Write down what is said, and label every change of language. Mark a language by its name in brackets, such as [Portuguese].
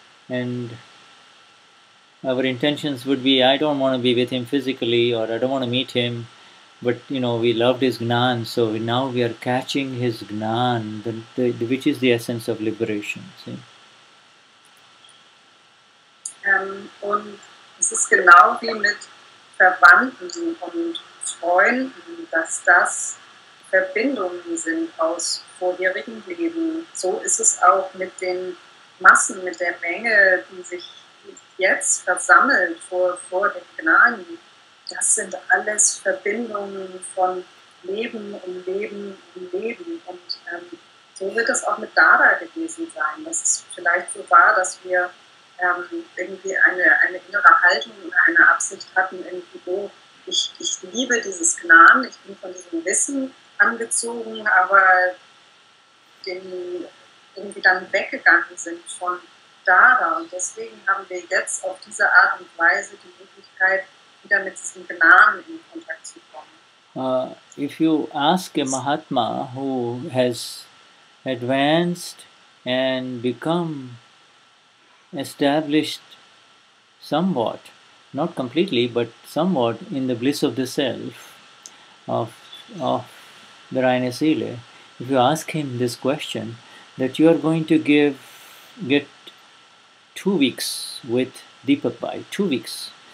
[English] And our intentions would be, I don't want to be with him physically, or I don't want to meet him, but, you know, we loved his Gnan, so now we are catching his Gnan, which is the essence of liberation, see? [German] Und es ist genau wie mit Verwandten und Freunden, dass das Verbindungen sind aus vorherigen Leben. So ist es auch mit den Massen, mit der Menge, die sich jetzt versammelt vor den Gnani. Das sind alles Verbindungen von Leben um Leben um Leben. Und so wird es auch mit Dada gewesen sein. Das ist vielleicht so wahr, dass wir irgendwie eine innere Haltung oder eine Absicht hatten, irgendwie, oh, ich liebe dieses Gnan, ich bin von diesem Wissen angezogen, aber irgendwie dann weggegangen sind von Dada. Und deswegen haben wir jetzt auf diese Art und Weise die Möglichkeit, wieder mit diesem Gnan in Kontakt zu kommen. [English] If you ask a Mahatma who has advanced and become established somewhat, not completely, but somewhat in the bliss of the self of the Raina Sile, if you ask him this question, that you are going to get 2 weeks with Deepak Bhai, 2 weeks.